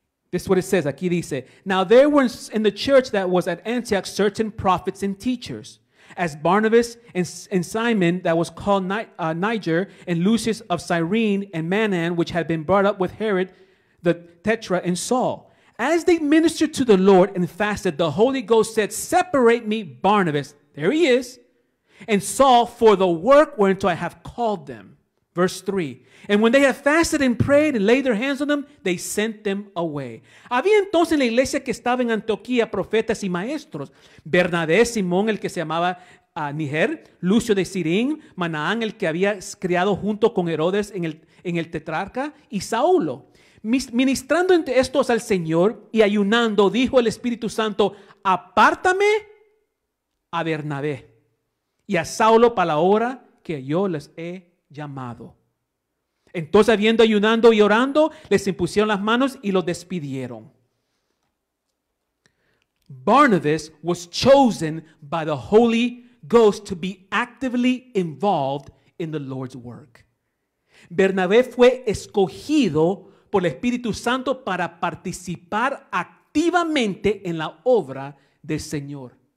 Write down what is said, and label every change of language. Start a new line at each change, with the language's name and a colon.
English: This is what it says,
Spanish: aquí dice,
English: now there were in the church that was at Antioch certain prophets and teachers, as Barnabas and Simon that was called Niger, and Lucius of Cyrene, and Manan, which had been brought up with Herod the Tetrarch, and Saul. As they ministered to the Lord and fasted, the Holy Ghost said, separate me, Barnabas, there he is, and Saul, for the work whereunto I have called them. Verse 3, and when they had fasted and prayed and laid their hands on them, they sent them away.
Spanish: Había entonces en la iglesia que estaba en Antioquía profetas y maestros. Bernabé, Simón, el que se llamaba Niger, Lucio de Cirín, Manaán, el que había criado junto con Herodes en el tetrarca, y Saulo. Ministrando entre estos al Señor y ayunando, dijo el Espíritu Santo, apártame a Bernabé y a Saulo para la hora que yo les he llamado. Entonces, habiendo ayunando y orando, les impusieron las manos y los despidieron.
English: Barnabas was chosen by the Holy Ghost to be actively involved in the Lord's work.
Spanish: Bernabé fue escogido por el Espíritu Santo para participar activamente en la obra del Señor.